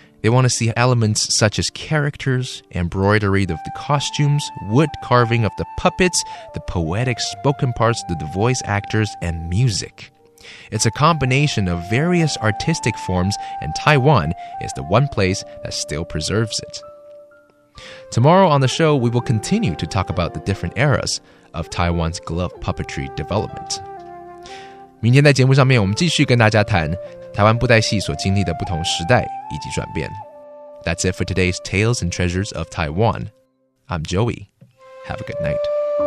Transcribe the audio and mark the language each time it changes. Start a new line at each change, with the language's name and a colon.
English: They want to see elements such as characters, embroidery of the costumes, wood carving of the puppets, the poetic spoken parts of the voice actors, and music. It's a combination of various artistic forms, and Taiwan is the one place that still preserves it. Tomorrow on the show, we will continue to talk about the different eras of Taiwan's glove puppetry development.
Chinese: 明天在节目上面我们继续跟大家谈台湾布袋戏所经历的不同时代以及转变。
English: That's it for today's Tales and Treasures of Taiwan. I'm Joey. Have a good night.